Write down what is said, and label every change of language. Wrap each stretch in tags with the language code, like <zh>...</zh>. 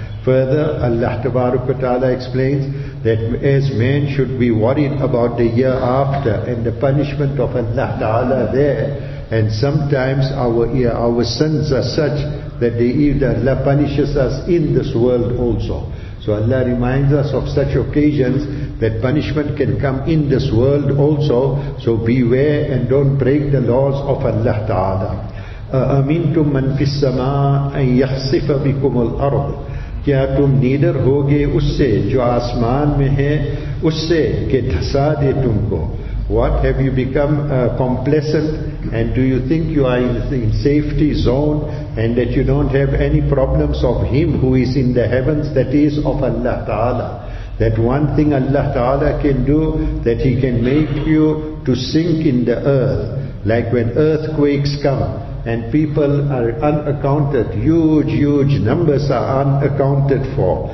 <en>Further, Allah Ta'ala explains that as man should be worried about the year after and the punishment of Allah Ta'ala there, and sometimes our sins are such that Allah punishes us in this world also. So Allah reminds us of such occasions that punishment can come in this world also. So beware and don't break the laws of Allah Ta'ala.</en> <ar>أَأَمِنْتُمْ مَنْ فِي السَّمَاءِ أَنْ يَخْسِفَ بِكُمُ الْأَرْضِ.</ar> <ur>کیا تم nether ہوگے اس سے جو آسمان میں ہے اس سے کہ دھسا دے تم کو.</ur> <en>What have you become complacent, and do you think you are in safety zone and that you don't have any problems of Him who is in the heavens, that is of Allah Ta'ala? That one thing Allah Ta'ala can do, that He can make you to sink in the earth, like when earthquakes come and people are unaccounted, huge numbers are unaccounted for.</en>